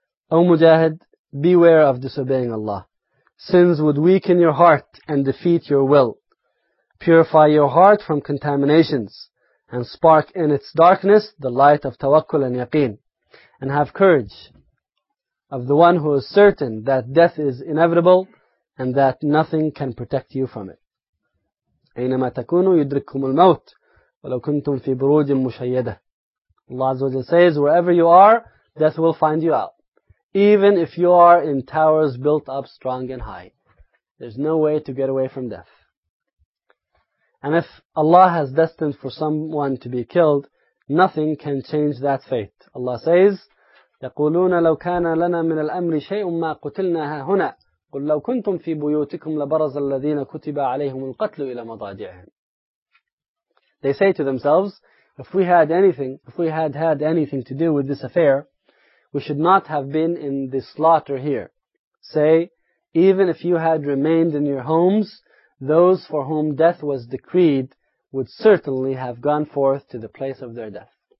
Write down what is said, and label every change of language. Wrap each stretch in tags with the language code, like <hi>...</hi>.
<en>O Mujahid, beware of disobeying Allah. Sins would weaken your heart and defeat your will. Purify your heart from contaminations and spark in its darkness the light of tawakkul and yaqeen. And have courage of the one who is certain that death is inevitable and that nothing can protect you from it.</en> <ar>أينما تكونوا يدرككم الموت ولو كنتم في بروج مشيدة.</ar> <en>Allah Azza wa Jalla says, wherever you are, death will find you out. Even if you are in towers built up strong and high, there's no way to get away from death. And if Allah has destined for someone to be killed, nothing can change that fate. Allah says,</en> <ar>يقولون لو كان لنا من الأمر شيء ما قتلنا هنا قل لو كنتم في بيوتكم لبرز الذين كتب عليهم القتل إلى مضاجعهم.</ar> <en>They say to themselves, if we had had anything to do with this affair, we should not have been in the slaughter here. Say, even if you had remained in your homes, those for whom death was decreed would certainly have gone forth to the place of their death.</en>